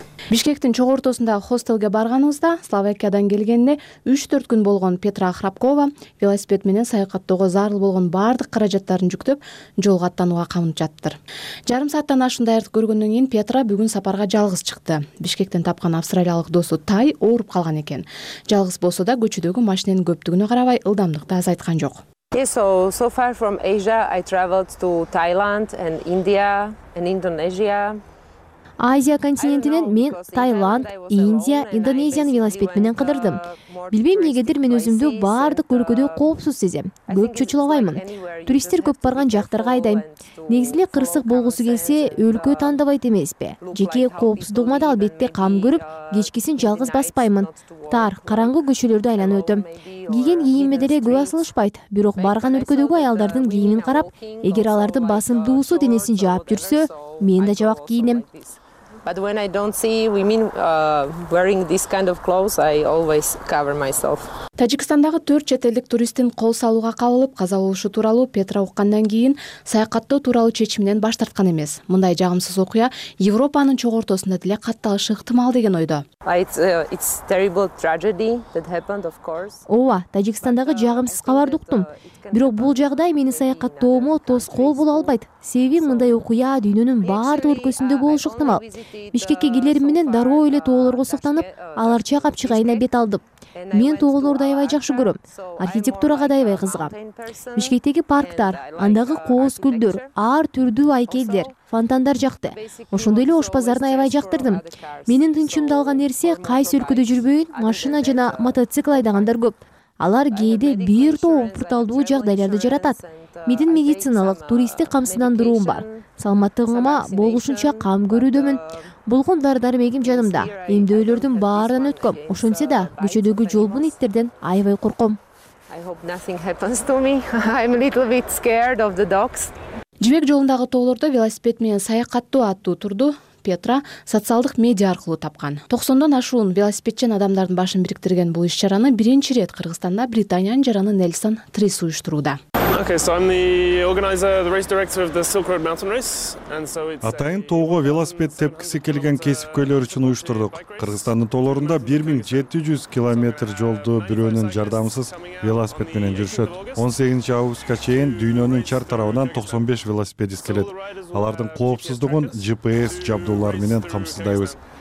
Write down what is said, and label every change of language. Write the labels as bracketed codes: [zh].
[ky] Бишкектин чоң ортосундагы хостелге барганыбызда Словакиядан келгенине 3-4 күн болгон Петра Храпкова велосипед менен саякаттоого зарыл болгон баардык каражаттарын жүктөп жолго аттанууга камынып жатыптыр. Жарым сааттан ашуундай аярдык көргөндөн кийин Петра бүгүн сапарга жалгыз чыкты. Бишкектен тапкан австралиялык досу Тай ооруп калган экен. Жалгыз болсо да көчөдөгү машиненин көптүгүнө карабай ылдамдыкты азайткан жок. [en] So far from Asia I traveled to Thailand and India and Indonesia. [ky] Азия континентинен мен Таиланд, Индия, Индонезияны велосипед менен кыдырдым. Билбейм негедир мен өзүмдү бардык өлкөдө коопсуз сезем. Көп чочулабаймын. Туристтер көп барган жактарга айдайм. Негизи эле кырсык болгусу келсе, өлкө тандабайт эмеспи? Жеке коопсуздугума да албетте кам көрүп, кечкисин жалгыз баспаймын. Тар, караңгы көчөлөрдү айланып өтөм. Кийген кийимиме деле көп асылышпайт, бирок барган өлкөдөгү аялдардын кийимин карап, эгер алардын басын дуусу денесин жаап жүрсө, мен да жабак кийинем. [en] But when I don't see women wearing this kind of clothes, I always cover myself. [ky] Тажикстандагы 4 чет элдик туристтин кол салууга кабылып, каза болушу тууралуу Петра уккандан кийин саякаттоо тууралуу чечимден баш тарткан эмес. Мындай жагымсыз окуя Европанын чоң ортосунда деле катталышы ыктымал деген ойдо. [en] It's terrible tragedy that happened, of course. [ky] Ооба, Тажикстандагы жагымсыз кабарды уктум. Бирок бул жагдай менин саякаттоомо тоскоол боло албайт. Себеби мындай окуя дүйнөнүн баардык өлкөсүндө болушу ыктымал. Бишкекке келерим менен дароо эле тоолорго суктанып, алар чагап чыгайына бет алдым. Мен тоолорду аябай жакшы көрөм. Архитектурага да аябай кызыгам. Бишкектеги парктар, андагы кооз күлдөр, ар түрдүү айкелдер, фонтандар жакты. Ошондой эле Ош базарын аябай жактырдым. Менин тынчымды алган нерсе кайсы өлкөдө жүрбөйүн машина жана мотоцикл айдагандар көп. Алар кээде бир топ порталдуу жагдайларды жаратат. Мидин медициналык, туристтик камсыздандыруум бар. Саламаттыгыма болушунча кам көрүүдөмүн. Болгон дары-дармегим жанымда. Эмдөөлөрдүн баарынан өткөм. Ошентсе да, көчөдөгү жолбун иттерден аябай корком. [en] I hope nothing happens to me. I'm a little bit scared of the dogs. [ky] Жибек жолундагы тоолордо велосипед менен саякаттоо аттуу турду Петра социалдык медиа аркылуу тапкан. 90 ашуун велосипедчен адамдардын башын бириктирген бул иш-чараны биринчи ирет Кыргызстанда Британиянын жараны Нельсон Трис уюштурууда. [en] Okay, so I'm the organizer, the race director of the Silk Road Mountain Race, and so it's [ky] Атайын тоого велосипед тепкиси келген кесипкөйлөр үчүн уюштурдук. Кыргызстандын тоолорунда 1700 километр жолду бирөөнүн жардамысыз велосипед менен жүрүшөт. 18 августка чейин дүйнөнүн чар тарабынан 95 велосипедист келет. Алардын коопсуздугун GPS жабдуулар менен камсыздайбыз.